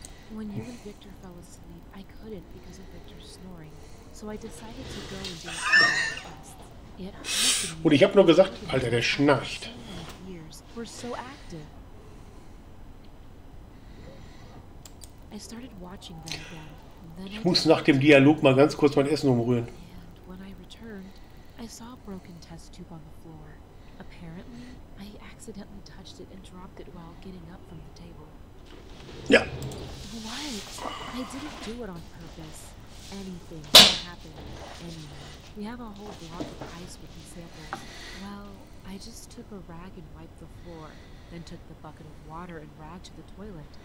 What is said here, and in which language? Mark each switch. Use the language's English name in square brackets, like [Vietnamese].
[English] When you and Victor fell asleep, I couldn't because of Victor's snoring. So I decided to go and do some tests. Yet [German] Und ich habe nur gesagt, Alter, der schnarcht. [English] We're so active. I started watching them again. [German] Then Ich muss nach dem Dialog mal ganz kurz mein Essen umrühren. [English] And when I returned, I saw a broken test tube on the floor. Apparently, I accidentally touched it and dropped it while getting up from the table. [German] Ja. [English] I didn't do it on purpose. Anything can happen. Anyway, we have a whole block of ice with these samples. Well, I just took a rag and wiped the floor, then took the bucket of water and rag to the toilet.